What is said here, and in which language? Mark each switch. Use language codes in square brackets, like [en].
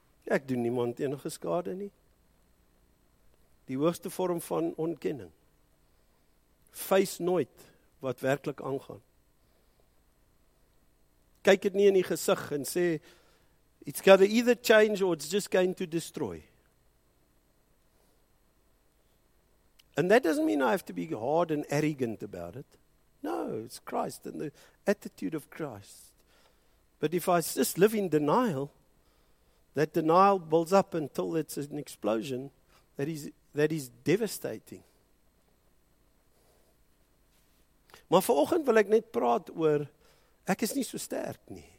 [af] Ek doen niemand enige skade nie. Die hoogste vorm van ontkenning. Face nooit wat werklik aangaan. Kyk het nie in die gesig en sê, [en] it's got to either change or it's just going to destroy. And that doesn't mean I have to be hard and arrogant about it. No, it's Christ and the attitude of Christ. But if I just live in denial, that denial builds up until it's an explosion that is devastating. [af] Maar vanoggend wil ek net praat oor, ek is nie so sterk nie.